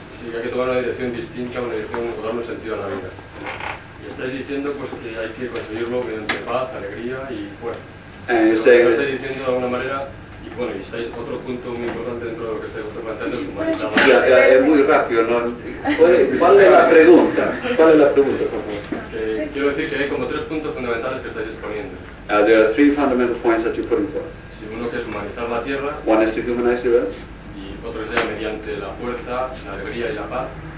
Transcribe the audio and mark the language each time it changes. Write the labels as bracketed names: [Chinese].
[Spanish] Sí, hay que tomar una dirección distinta, una dirección que darle sentido a la vida. Y estáis diciendo pues que hay que conseguirlo mediante paz, alegría y fuerza. Y estáis diciendo de alguna manera, y bueno, y estáis otro punto muy importante dentro de lo que estáis planteando, es muy rápido, ¿no? ¿Cuál es la pregunta? ¿Cuál es la pregunta, por favor? Quiero decir que hay como tres puntos fundamentales que estáis exponiendo. [English] There are three fundamental points that you're putting forth. [Spanish] Uno que es humanizar la tierra. [English] One is to humanize the earth. [Spanish] Y otro es mediante la fuerza, la alegría y la paz.